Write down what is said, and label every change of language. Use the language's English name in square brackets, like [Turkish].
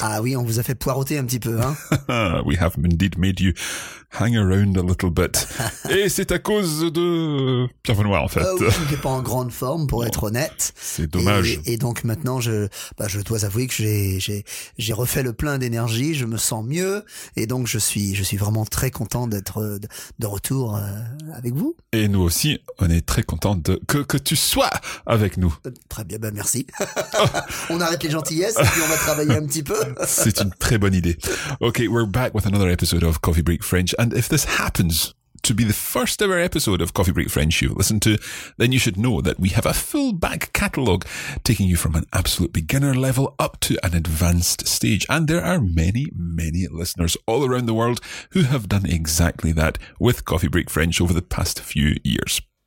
[French] Ah oui, on vous a fait poireauter un petit peu, hein. [English] We have indeed made you hang around a little bit. [French] Et c'est à cause de Pierre Benoît, en fait. Oui, je n'étais pas en grande forme, pour être honnête. C'est dommage. Et donc maintenant, je dois avouer que j'ai refait le plein d'énergie, je me sens mieux. Et donc, je suis vraiment très content d'être de retour avec vous. Et nous aussi, on est très content que tu sois avec nous. Très bien, ben merci. On arrête les gentillesses et puis on va travailler un petit peu. C'est une très bonne idée. [English] Ok, we're back with another episode of Coffee Break Friends. And if this happens to be the first ever episode of Coffee Break French you've listened to, then you should know that we have a full back catalogue taking you from an absolute beginner level up to an advanced stage. And there are many, many listeners all around the world who have done exactly that with Coffee Break French over the past few years.